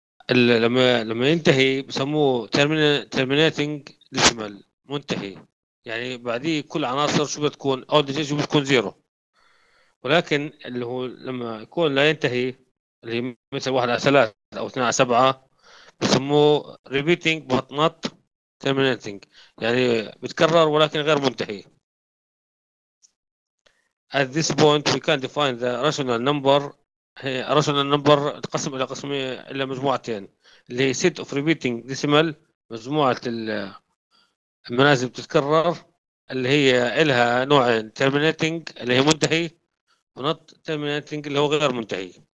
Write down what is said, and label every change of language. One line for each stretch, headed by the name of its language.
Arabic: لما ينتهي بسموه terminating decimal، منتهي، يعني بعديه كل عناصر شو بتكون أو دي شو بتكون زيرو. ولكن اللي هو لما يكون لا ينتهي اللي مثل 1/3 أو 2/7 بسموه repeating but not terminating، يعني بتكرر ولكن غير منتهي.
English: At this point we can define the rational number.
Arabic: هي الراشونال نمبر تقسم الى قسمين الى مجموعتين، اللي هي set of repeating decimal، مجموعه المنازل بتتكرر اللي هي لها نوعين، terminating اللي هي منتهي، ونوت terminating اللي هو غير منتهي.